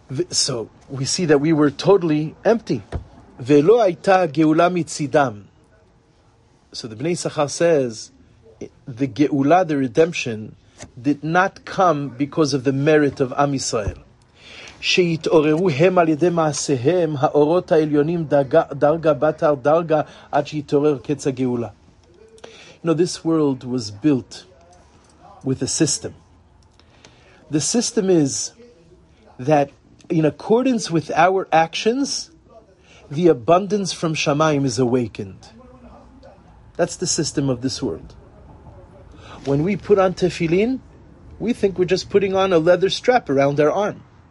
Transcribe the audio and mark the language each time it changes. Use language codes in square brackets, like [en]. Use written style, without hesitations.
[en] So we see that we were totally empty. [he] Ve'lo aita geula mitzidam. [en] So the Bnei Sachar says, the geula, the redemption, did not come because of the merit of Am Yisrael. [he] שיתעוררו הם על ידי מעשיהם, האורות העליונים דרגה בתר דרגה, עד שיתעורר קץ הגאולה. [en] You know, this world was built with a system. The system is that in accordance with our actions, the abundance from Shamayim is awakened. That's the system of this world. When we put on tefillin, we think we're just putting on a leather strap around our arm.